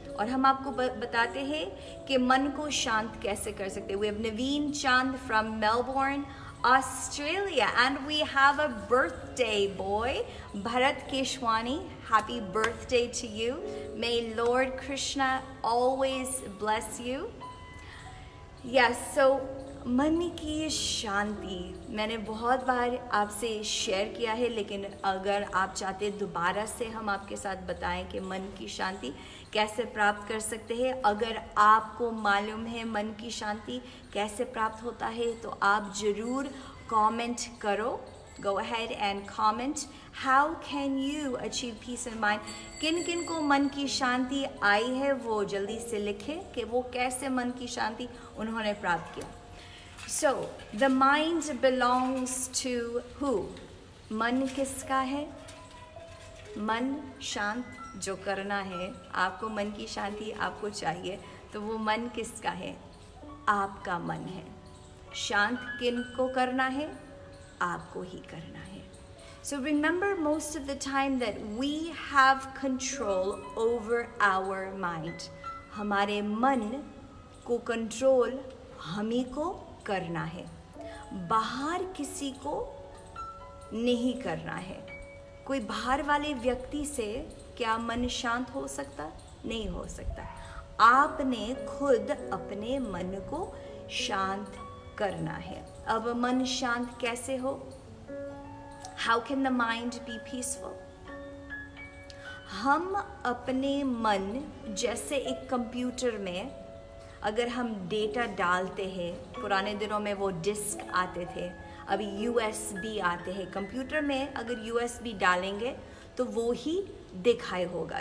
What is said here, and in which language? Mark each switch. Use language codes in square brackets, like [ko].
[hi] और हम आपको बताते हैं कि मन को शांत कैसे कर सकते हैं। [en] We have Naveen Chand from Melbourne, Australia, and we have a birthday boy, Bharat Keshwani. Happy birthday to you! May Lord Krishna always bless you. [hi] Yes, so मन की शांति मैंने बहुत बार आपसे शेयर किया है, लेकिन अगर आप चाहते हैं दोबारा से हम आपके साथ बताएं कि मन की शांति कैसे प्राप्त कर सकते हैं, अगर आपको मालूम है मन की शांति कैसे प्राप्त होता है, तो आप जरूर कमेंट करो. [en] Go ahead and comment. How can you achieve peace in mind? [hi] किन किन को मन की शांति आई है वो जल्दी से लिखे कि वो कैसे मन की शांति उन्होंने प्राप्त किया. [en] So, the mind belongs to who? [hi] मन किसका है? मन शांत जो करना है, आपको मन की शांति आपको चाहिए, तो वो मन किसका है? आपका मन है. शांत किन को करना है? आपको ही करना है. [en] So remember most of the time that we have control over our mind. [hi] हमारे मन को कंट्रोल हमी को करना है, बाहर किसी को नहीं करना है. कोई बाहर वाले व्यक्ति से क्या मन शांत हो सकता? नहीं हो सकता. आपने खुद अपने मन को शांत करना है. अब मन शांत कैसे हो? [en] How can the mind be peaceful? [hi] हम अपने मन जैसे एक कंप्यूटर में अगर हम डेटा डालते हैं, पुराने दिनों में वो डिस्क आते थे, अभी USB आते हैं. कंप्यूटर में अगर USB डालेंगे तो वो ही दिखाई होगा.